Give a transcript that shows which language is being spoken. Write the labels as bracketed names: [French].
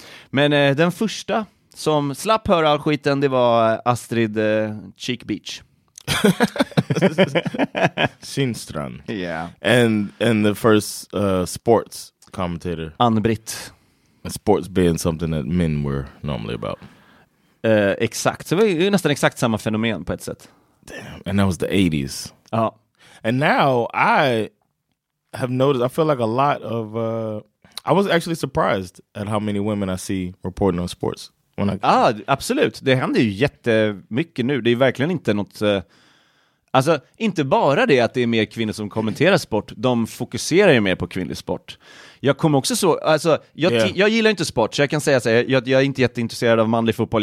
[Swedish] Men den första som slapp höra all skiten, det var Astrid Cheek Beach Kindstrand. [English] Yeah. And the first sports commentator, Ann-Britt. Sports being something that men were normally about. [Swedish] Exakt. Så det var ju nästan exakt samma fenomen på ett sätt. [English] Damn. And that was the 80s. [Swedish] Ja. [English] And now I have noticed, I feel like a lot of I was actually surprised at how many women I see reporting on sports. [Swedish] Absolut. Det händer ju jättemycket nu. Det är verkligen inte något... alltså, inte bara det att det är mer kvinnor som kommenterar sport. De fokuserar ju mer på kvinnlig sport. Jag kommer också så... alltså, jag gillar inte sport, så jag kan säga så här. Jag är inte jätteintresserad av manlig fotboll.